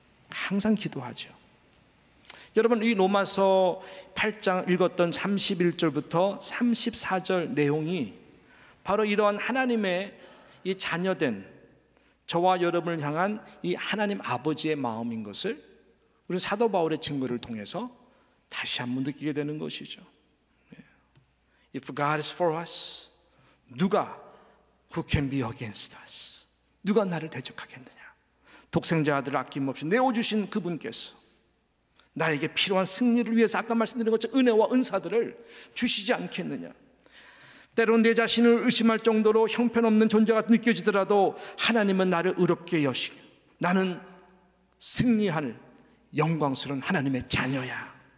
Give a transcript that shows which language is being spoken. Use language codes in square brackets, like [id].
[ko] 항상 기도하죠. 여러분, 이 로마서 8장 읽었던 31절부터 34절 내용이 바로 이러한 하나님의 이 자녀된 저와 여러분을 향한 이 하나님 아버지의 마음인 것을 우리 사도 바울의 증거를 통해서 다시 한번 느끼게 되는 것이죠. [en] If God is for us, [ko] 누가 [en] who can be against us? [ko] 누가 나를 대적하겠느냐? 독생자 아들을 아낌없이 내어주신 그분께서 나에게 필요한 승리를 위해서 아까 말씀드린 것처럼 은혜와 은사들을 주시지 않겠느냐? 때로는 내 자신을 의심할 정도로 형편없는 존재가 느껴지더라도 하나님은 나를 의롭게 여시고 나는 승리할 영광스러운 하나님의 자녀야.